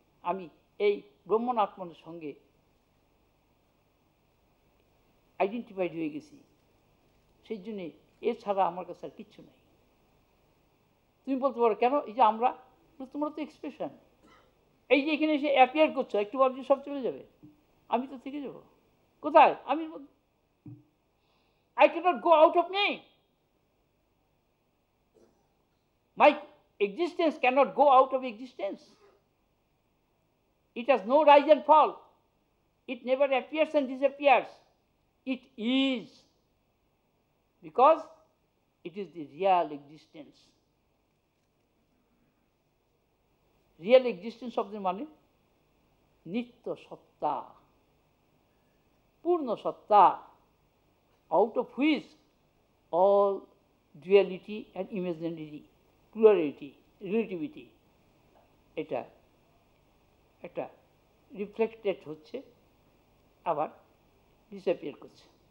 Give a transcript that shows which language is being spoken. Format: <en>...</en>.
<bn>আমি এই ব্রহ্মণ আত্মনের সঙ্গে আইডেন্টিফাইড হয়ে গেছি, সেই জন্যে এছাড়া আমার কাছে আর কিচ্ছু নাই। তুমি বলতে পারো কেন এই যে আমরা, তোমরা তো এক্সপ্রেশন, এই যে এখানে এসে অ্যাপিয়ার করছো, একটু ভাবছি সব চলে যাবে, আমি তো থেকে যাবো কোথায়?</bn> <en>আমি I cannot go out of me. My existence cannot go out of existence. It has no rise and fall. It never appears and disappears. It is. Because it is the real existence.</en> <bn>Real existence শব্দের মানে নিত্য সত্তা, পূর্ণ সত্তা,</bn> <en>out of which all duality and imaginary plurality relativity,</en> <bn>এটা একটা reflected হচ্ছে, আবার ডিসঅ্যাপিয়ার করছে।</bn>